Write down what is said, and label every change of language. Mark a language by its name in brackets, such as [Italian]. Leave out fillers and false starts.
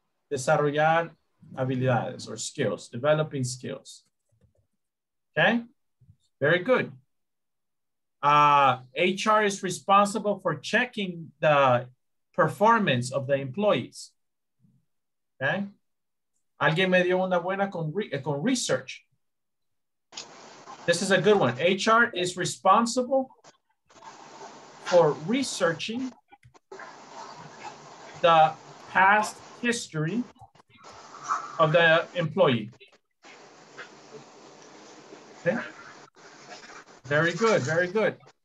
[Spanish] Desarrollar habilidades [English] or skills, developing skills. Okay, very good. HR is responsible for checking the performance of the employees. [Spanish] Okay, alguien me dio una buena con research. [English] This is a good one. HR is responsible for researching the past history of the employee. Okay. Very good.